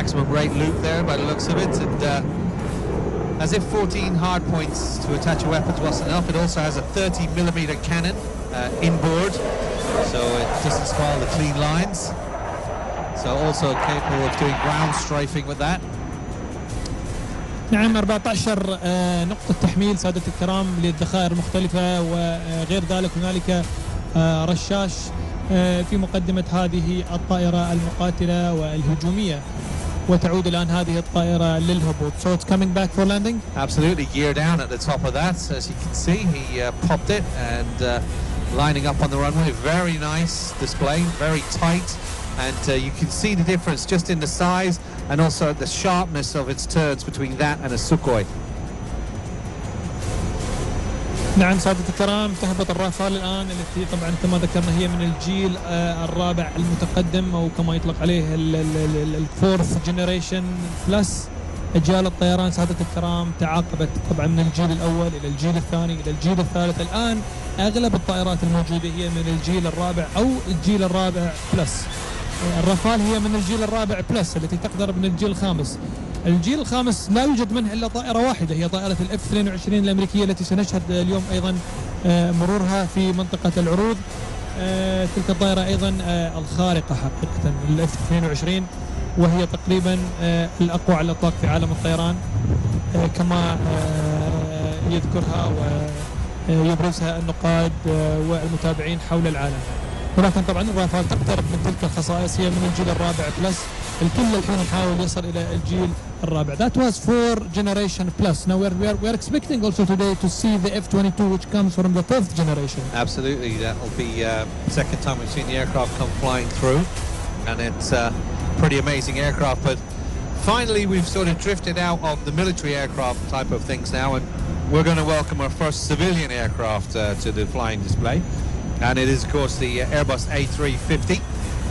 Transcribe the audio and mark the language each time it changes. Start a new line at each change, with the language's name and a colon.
English: Great loop there by the looks of it, and as if 14 hard points to attach a weapon wasn't enough, it also has a 30 millimeter cannon inboard, so it doesn't spoil the clean lines, so also capable of doing ground strafing with that.
Arabic: نعم 14 نقطة تحميل سادة الكرام للذخائر المختلفة وغير ذلك هنالك رشاش في مقدمة هذه الطائرة المقاتلة والهجومية وتعود الآن هذه الطائرة للهبوط.
English: So it's coming back for landing. Absolutely, gear down at the top of that. As you can see, he popped it and lining up on the runway. Very nice display, very tight, and you can see the difference just in the size and also the sharpness of its turns between that and a Sukhoi.
Arabic: نعم سادة الكرام تهبط الرافال الآن التي طبعا كما ذكرنا هي من الجيل الرابع المتقدم أو كما يطلق عليه الفورث جنريشن بلس أجيال الطيران سادة الكرام تعاقبت طبعا من الجيل الأول إلى الجيل الثاني إلى الجيل الثالث الآن أغلب الطائرات الموجودة هي من الجيل الرابع أو الجيل الرابع بلس الرافال هي من الجيل الرابع بلس التي تقدر من الجيل الخامس الجيل الخامس لا يوجد منها إلا طائرة واحدة هي طائرة F-22 الأمريكية التي سنشهد اليوم أيضا مرورها في منطقة العروض تلك الطائرة أيضا الخارقة حقيقة F-22 وهي تقريبا الأقوى على الإطلاق في عالم الطيران كما يذكرها ويبرزها النقاد والمتابعين حول العالم ولكن طبعا الرافال تقترب من تلك الخصائص هي من الجيل الرابع بلس الكل الحين يحاول يصل إلى الجيل الرابع.
English: That was four generation plus. Now we are expecting also today to see the F-22 which comes from the fourth generation. Absolutely, that will be second time we've seen the aircraft come flying through, and it's a pretty amazing aircraft. But finally, we've sort of drifted out of the military aircraft type of things now, and we're going to welcome our first civilian aircraft to the flying display, and it is of course the Airbus A350.